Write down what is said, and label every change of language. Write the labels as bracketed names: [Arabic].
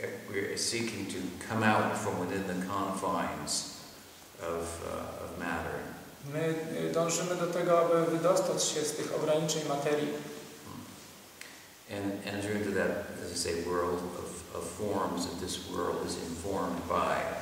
[English] We're seeking to come out from within the confines of matter. [Polish] My dążymy do tego, aby wydostać się z tych ograniczeń materii. [English] And enter into that, as I say, world of forms that this world is informed by.